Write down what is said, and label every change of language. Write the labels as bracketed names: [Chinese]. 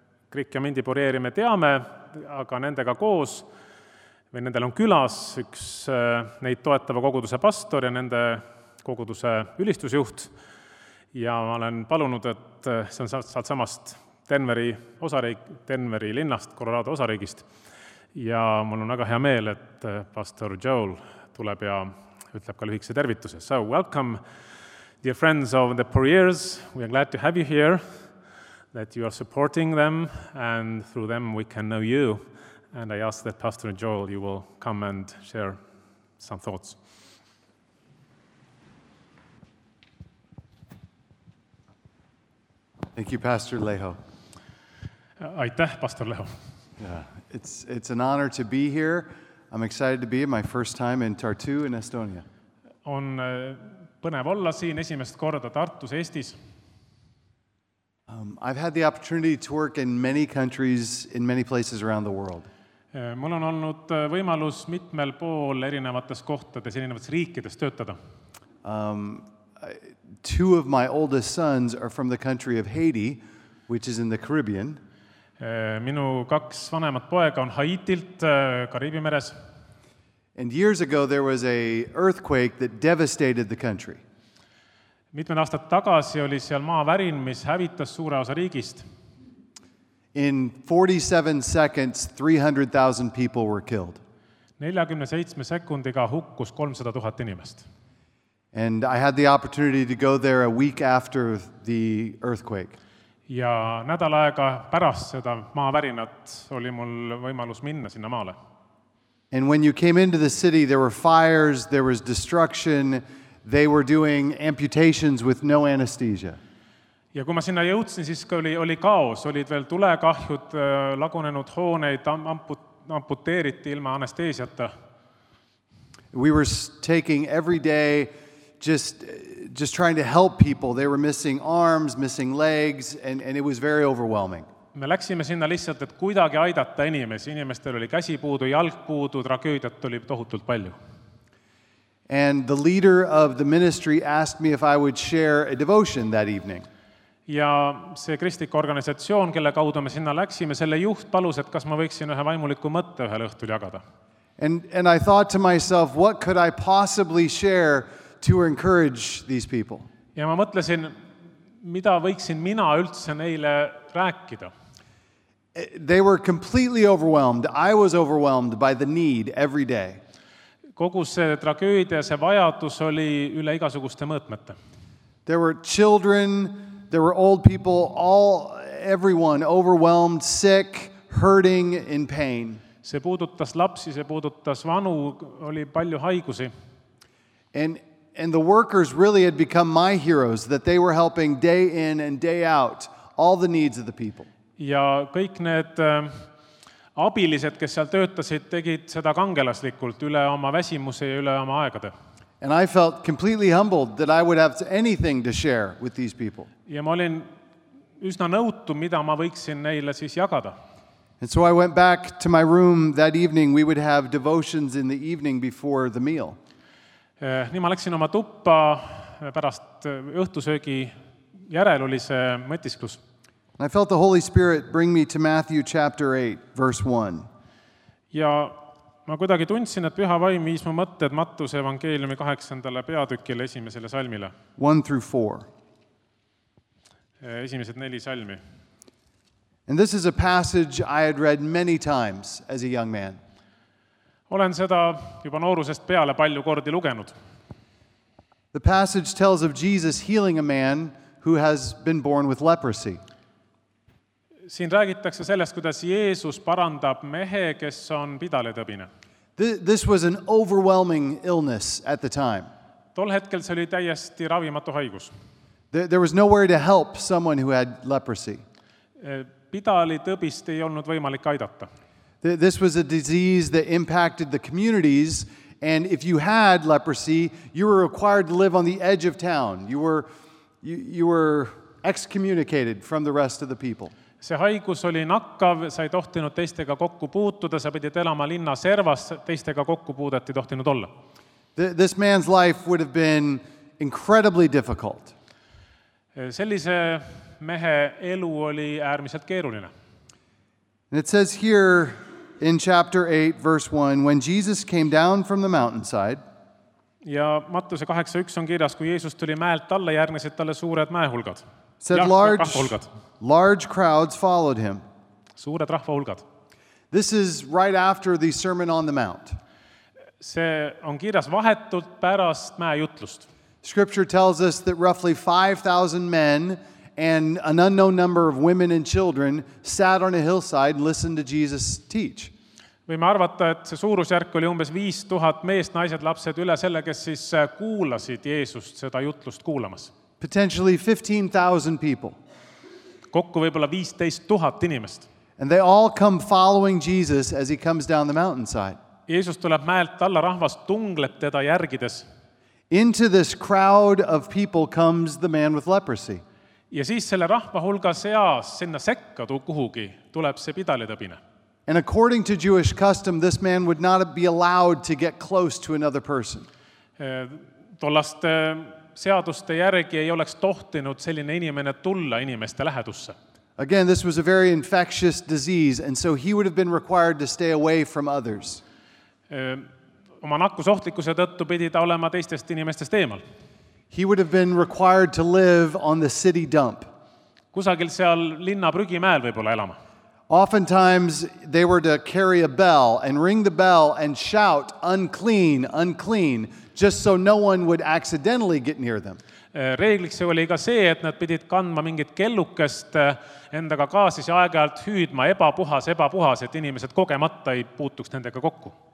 [Estonian] Krik ja Mindi Purjeeri me teame, aga nendega koos või nendel on külas üks neid toetava koguduse pastor ja nende koguduse ülistusjuht. Ja ma olen palunud, et see on saad samast Denveri linnast, Colorado osariigist. Ja mul on väga hea meel, et pastor Joel tuleb ja ütleb ka lühikese tervituse. [English] So, welcome, dear friends of the Poriers. We are glad to have you here, that you are supporting them, and through them we can know you. And I ask that Pastor Joel, you will come and share some thoughts. Thank you, Pastor Leho. [Estonian] Aitäh, Pastor Leho. [English] Yeah, it's an honor to be here. I'm excited to be my first time in Tartu in Estonia. [Estonian] On põnev olla siin esimest korda Tartus Eestis. [English] I've had the opportunity to work in many countries, in many places around the world. [Estonian] Mul on olnud võimalus mitmel pool erinevates kohtades, erinevates riikides töötada. [English] Two of my oldest sons are from the country of Haiti, which is in the Caribbean. [Estonian] Minu kaks vanemat poega on Haitilt, Kariibi meres. [English] And years ago there was a earthquake that devastated the country. [Estonian] Mitmed aastat tagasi oli seal maavärin, mis hävitas suure osa riigist. [English] In 47 seconds, 300,000 people were killed. [Estonian] 47 sekundiga hukkus 300 000 inimest. [English] And I had the opportunity to go there a week after the earthquake. [Estonian] Ja nädal aega pärast seda maavärinat oli mul võimalus minna sinna maale. [English] And when you came into the city, there were fires, there was destruction, they were doing amputations with no anesthesia. [Estonian] Ja kui ma sinna jõudsin, siis oli kaos, olid veel tulekahjud, lagunenud hooneid, amputeeriti ilma anesteesiata. [English] We were taking every day just trying to help people. They were missing arms, missing legs, and it was very overwhelming. [Estonian] Me läksime sinna lihtsalt, et kuidagi aidata inimesi. Inimestel oli käsi puudu, jalg puudu, tragöödiat oli tohutult palju. [English] And the leader of the ministry asked me if I would share a devotion that evening. [Estonian] Ja see kristlik organisatsioon, kelle kaudu me sinna läksime, selle juht palus, et kas ma võiksin ühe vaimuliku mõtte ühel õhtul jagada. [English] And I thought to myself, what could I possibly share to encourage these people? [Estonian] Ja ma mõtlesin, mida võiksin mina üldse neile rääkida. [English] They were completely overwhelmed. I was overwhelmed by the need every day. [Estonian] Kogu see tragöödia, see vajadus oli üle igasuguste mõõtmete. [English] There were children, there were old people, all everyone overwhelmed, sick, hurting, in pain. [Estonian] See puudutas lapsi, see puudutas vanu, oli palju haigusi. [English] And the workers really had become my heroes, that they were helping day in and day out all the needs of the people. [Estonian] Ja kõik need abilised, kes seal töötasid, tegid seda kangelaslikult üle oma väsimuse ja üle oma aegade. [English] And I felt completely humbled that I would have anything to share with these people. [Estonian] Ja ma olin üsna nõutu, mida ma võiksin neile siis jagada. [English] And so I went back to my room that evening. We would have devotions in the evening before the meal. [Estonian] Nii ma läksin oma tuppa pärast õhtusöögi järel oli see mõtisklus. [English] And I felt the Holy Spirit bring me to Matthew chapter 8, verse 1. [Estonian] Ja ma kuidagi tundsin, et püha vaim viis mu mõtted Mattuse evangeeliumi 8. Peatükkile esimesele salmile. [English] 1 through 4. [Estonian] Esimesed 4 salmi. [English] And this is a passage I had read many times as a young man. [Estonian] Olen seda juba noorusest peale palju kordi lugenud. [English] The passage tells of Jesus healing a man who has been born with leprosy. [Estonian] Siin räägitakse sellest, kuidas Jeesus parandab mehe, kes on pidaletõbine. [English] This was an overwhelming illness at the time. [Estonian] Tol hetkel see oli täiesti ravimatu haigus. [English] There was nowhere to help someone who had leprosy. [Estonian] Pidaletõbist ei olnud võimalik aidata. [English] This was a disease that impacted the communities, and if you had leprosy, you were required to live on the edge of town. You were excommunicated from the rest of the people. [Estonian] See haigus oli nakkav, sa ei tohtinud teistega kokku puutuda, sa pidid elama linna servas, teistega kokku puudati tohtinud olla. [English] This man's life would have been incredibly difficult. [Estonian] Sellise mehe elu oli äärmiselt keeruline. [English] And it says here in chapter 8, verse 1, when Jesus came down from the mountainside. [Estonian] Ja Mattuse 8.1 on kirjas, kui Jeesus tuli mäelt alla, järgnesid talle suured mäehulgad. [English] Said large crowds followed him. [Estonian] Suured rahvahulgad. [English] This is right after the Sermon on the Mount. [Estonian] See on kirjas vahetult pärast mäejutlust. [English] Scripture tells us that roughly 5,000 men and an unknown number of women and children sat on a hillside and listened to Jesus teach. [Estonian] Võime arvata, et see suurusjärk oli umbes 5,000 meest, naised, lapsed üle selle, kes siis kuulasid Jeesust seda jutlust kuulamas. [English] Potentially 15,000 people. [Estonian] Kokku võib-olla 15,000 inimest. [English] And they all come following Jesus as he comes down the mountainside. [Estonian] Jeesus tuleb mäelt alla, rahvas tungleb teda järgides. [English] Into this crowd of people comes the man with leprosy. [Estonian] Ja siis selle rahva hulga seas sinna sekkadu kuhugi tuleb see pidaletõbine. [English] And according to Jewish custom, this man would not be allowed to get close to another person. [Estonian] Tollast seaduste järgi ei oleks tohtinud selline inimene tulla inimeste lähedusse. [English] Again, this was a very infectious disease, and so he would have been required to stay away from others. [Estonian] Oma nakkusohtlikkuse tõttu pidi ta olema teistest inimestest eemal. [English] He would have been required to live on the city dump. [Estonian] Kusagil seal linna prügimäel võib-olla elama. [English] Oftentimes, they were to carry a bell and ring the bell and shout, unclean, unclean, just so no one would accidentally get near them. [Estonian] Reegliks oli ka see, et nad pidid kandma mingit kellukest endaga kaasis ja aegajalt hüüdma ebapuhas, et inimesed kogemata ei puutuks nendega kokku.